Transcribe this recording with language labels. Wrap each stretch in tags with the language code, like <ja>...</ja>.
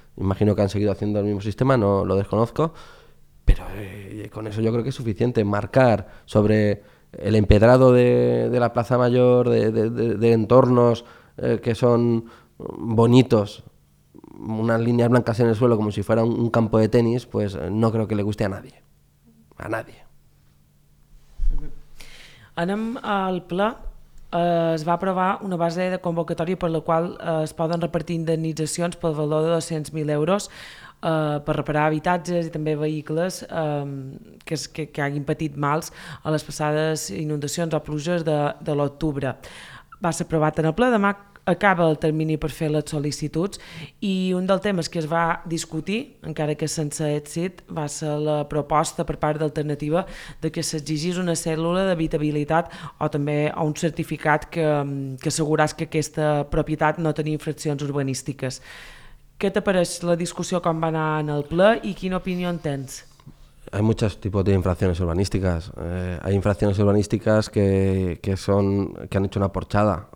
<es>Imagino que han seguido haciendo el mismo sistema, no lo desconozco, pero con eso yo creo que es suficiente marcar sobre el empedrado de la Plaza Mayor, de entornos que son bonitos, unas líneas blancas en el suelo como si fuera un campo de tenis, pues no creo que le guste a nadie, a nadie.</es> <ca>Anem al pla. Es va aprovar una base de convocatòria per la qual es poden repartir indemnitzacions pel valor de 200.000 euros per reparar habitatges i també vehicles que hagin patit mals a les passades inundacions o pluges de l'octubre. Va ser aprovat en el ple, demà acaba el termini per fer les sol·licituds, i un dels temes que es va discutir, encara que sense èxit, va ser la proposta per part d'Alternativa de que s'exigís una cèdula d'habitabilitat o també un certificat que assegurés que aquesta propietat no tenia infraccions urbanístiques.</ca> <es>¿Qué te parece la discusión con Banan al PLA y qué opinión tienes? Hay muchos tipos de infracciones urbanísticas. Hay infracciones urbanísticas que han hecho una porchada.</es>